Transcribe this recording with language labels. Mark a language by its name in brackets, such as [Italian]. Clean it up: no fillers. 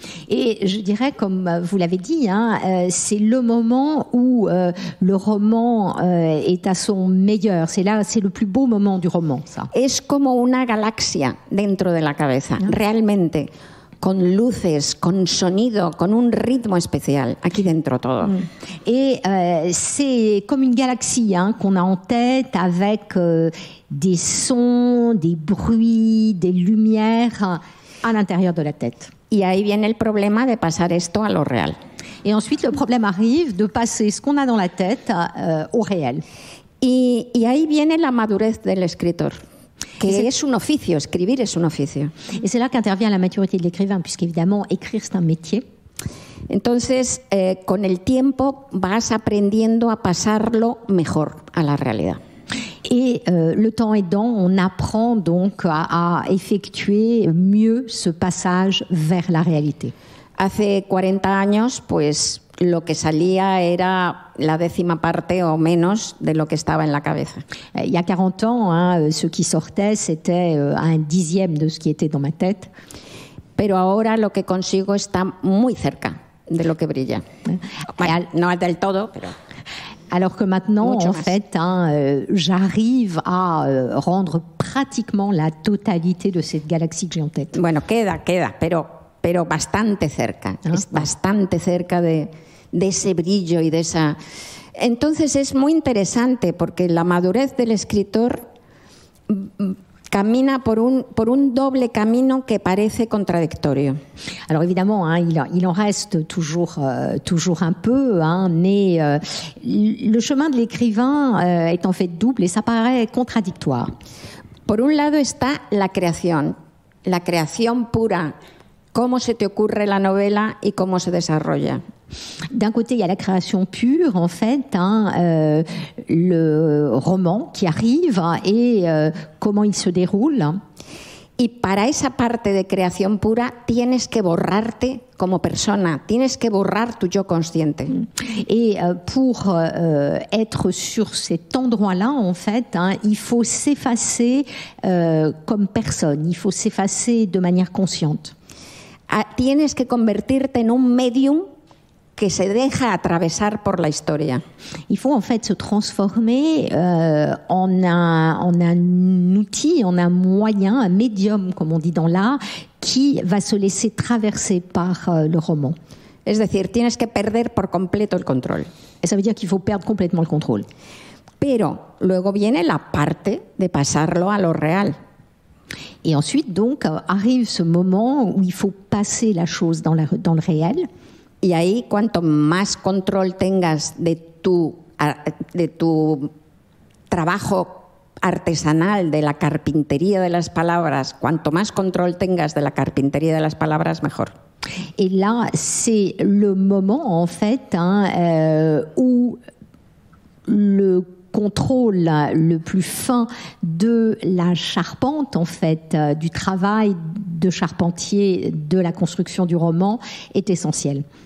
[French] Et je dirais, comme vous l'avez dit, hein, c'est le moment où le roman est à son meilleur. C'est là, c'est le plus beau moment du roman, ça. [Spanish] Es como una galaxia dentro de la cabeza, realmente. Con luces, con sonido, con un ritmo especial, aquí dentro todo. Mm. [French] Et c'est comme une galaxie hein, qu'on a en tête avec des sons, des bruits, des lumières à l'intérieur de la tête. [Spanish] Y ahí viene el problema de pasar esto a lo real. [French] Et ensuite, le problème arrive de passer ce qu'on a dans la tête au réel. [Spanish] Y ahí viene la madurez del escritor. Que es un oficio, escribir es un oficio. [French] Et c'est là qu'intervient la maturité de l'écrivain, puisqu'évidemment, écrire, c'est un métier. [Spanish] Entonces, con el tiempo, vas aprendiendo a pasarlo mejor a la realidad. [French] Et le temps aidant, on apprend donc à effectuer mieux ce passage vers la réalité. [Spanish] Hace 40 años, pues, lo que salía era la décima parte o menos de lo que estaba en la cabeza. [French] Il y a 40 ans, hein, ce qui sortait, c'était un dixième de ce qui était dans ma tête. [Spanish] Pero ahora lo que consigo está muy cerca de lo que brilla. No del todo, pero... [French] Alors que maintenant, [Spanish] mucho en más. [French] Fait, hein, j'arrive à rendre pratiquement la totalité de cette galaxie que j'ai en tête. [Spanish] Bueno, queda, pero bastante cerca. Es bastante cerca de ese brillo y de esa... Entonces es muy interesante porque la madurez del escritor camina por un doble camino que parece contradictorio. [French] Alors évidemment, hein, il en reste toujours un peu, hein, mais le chemin de l'écrivain est en fait double et ça paraît contradictoire. [Spanish] Por un lado está la creación pura, cómo se te ocurre la novela y cómo se desarrolla. [French] D'un côté, il y a la création pure, en fait, hein, le roman qui arrive et comment il se déroule. Et pour cette partie de création pure, [Spanish] tienes que borrarte comme persona, tienes que borrar tu yo consciente. [French] Et pour être sur cet endroit-là, en fait, hein, il faut s'effacer comme personne, il faut s'effacer de manière consciente. [Spanish] Tienes que convertirte en un médium. Que se deja atravesar por la historia. [French] Il faut en fait se transformer en un outil, en un moyen, un médium, comme on dit dans l'art, qui va se laisser traverser par le roman. [Spanish] Es decir, tienes que perder por completo el control. [French] Et ça veut dire qu'il faut perdre complètement le contrôle. [Spanish] Pero luego viene la parte de pasarlo a lo real. [French] Et ensuite, donc, arrive ce moment où il faut passer la chose dans le réel. [Spanish] Y ahí, cuanto más control tengas de tu trabajo artesanal, de la carpintería de las palabras, cuanto más control tengas de la carpintería de las palabras, mejor. [French] Y là, c'est le moment, en fait, hein, où le contrôle le plus fin de la charpente, en fait, du travail de charpentier de la construction du roman est essentiel.